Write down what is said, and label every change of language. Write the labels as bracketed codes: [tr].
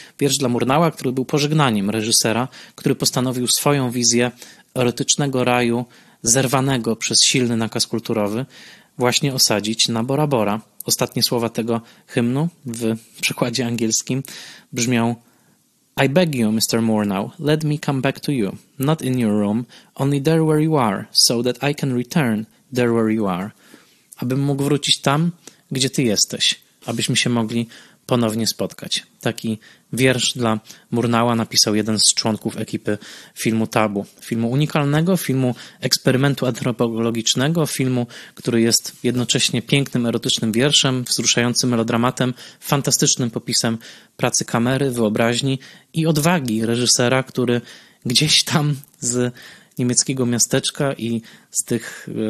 [pl] Wiersz dla Murnaua, który był pożegnaniem reżysera, który postanowił swoją wizję erotycznego raju zerwanego przez silny nakaz kulturowy właśnie osadzić na Bora Bora. Ostatnie słowa tego hymnu w przekładzie angielskim brzmią: [en] I beg you, Mr. Murnau, let me come back to you, not in your room, only there where you are, so that I can return there where you are. [pl] Abym mógł wrócić tam, gdzie ty jesteś, abyśmy się mogli ponownie spotkać. Taki wiersz dla Murnaua napisał jeden z członków ekipy filmu Tabu. Filmu unikalnego, filmu eksperymentu antropologicznego, filmu, który jest jednocześnie pięknym, erotycznym wierszem, wzruszającym melodramatem, fantastycznym popisem pracy kamery, wyobraźni i odwagi reżysera, który gdzieś tam z niemieckiego miasteczka i z tych